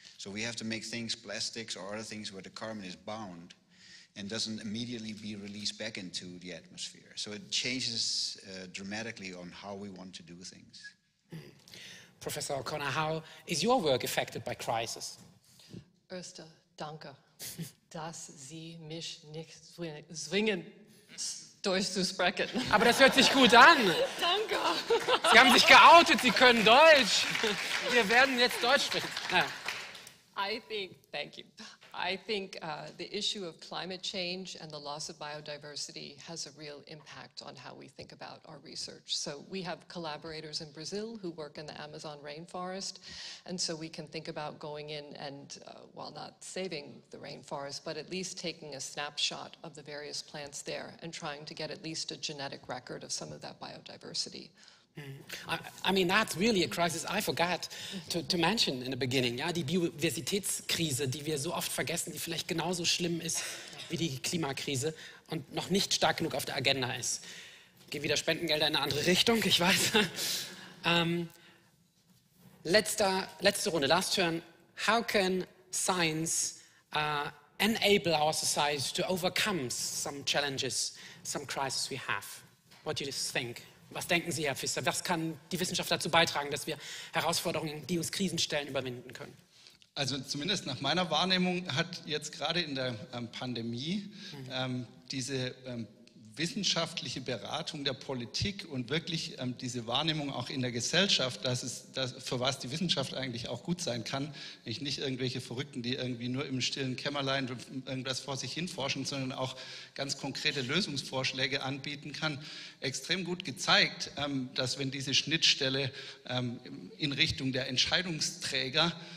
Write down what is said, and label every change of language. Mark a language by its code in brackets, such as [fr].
[en] So we have to make things, plastics or other things, where the carbon is bound and doesn't immediately be released back into the atmosphere. So it changes dramatically on how we want to do things. Mm-hmm. Professor O'Connor, how is your work affected by crisis? [de] Erster, danke. Dass Sie mich nicht zwingen, Deutsch zu sprechen. Aber das hört sich gut an. Danke. Sie haben sich geoutet, Sie können Deutsch. Wir werden jetzt Deutsch sprechen. Ja. [en] I think the issue of climate change and the loss of biodiversity has a real impact on how we think about our research. So we have collaborators in Brazil who work in the Amazon rainforest, and so we can think about going in and, while not saving the rainforest, but at least taking a snapshot of the various plants there and trying to get at least a genetic record of some of that biodiversity. I mean, that's really a crisis I forgot to mention in the beginning. [de] Ja, die Biodiversitätskrise, die wir so oft vergessen, die vielleicht genauso schlimm ist wie die Klimakrise und noch nicht stark genug auf der Agenda ist. Geh wieder Spendengelder in eine andere Richtung, ich weiß. Letzte Runde, [en] last turn. How can science enable our society to overcome some challenges, some crises we have? What do you think? [de] Was denken Sie, Herr Pfister, was kann die Wissenschaft dazu beitragen, dass wir Herausforderungen, die uns Krisen stellen, überwinden können? Also zumindest nach meiner Wahrnehmung hat jetzt gerade in der Pandemie diese wissenschaftliche Beratung der Politik und wirklich diese Wahrnehmung auch in der Gesellschaft, dass für was die Wissenschaft eigentlich auch gut sein kann, nicht irgendwelche Verrückten, die irgendwie nur im stillen Kämmerlein irgendwas vor sich hin forschen, sondern auch ganz konkrete Lösungsvorschläge anbieten kann, extrem gut gezeigt, dass wenn diese Schnittstelle in Richtung der Entscheidungsträger